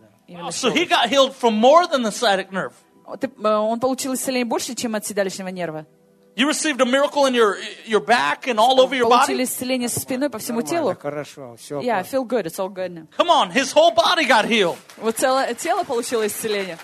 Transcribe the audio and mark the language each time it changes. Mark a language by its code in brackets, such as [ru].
[en] Wow, so he got healed from more than the sciatic nerve. [ru] Он получил исцеление больше, чем от седалищного нерва. [en] You received a miracle in your back and all over your [ru] Получили [en] body? [ru] Получили исцеление со спиной по всему телу. Хорошо, все. [en] Yeah, I feel good. It's all good now. Come on, his whole body got healed. [ru] Вот целое тело получило исцеление.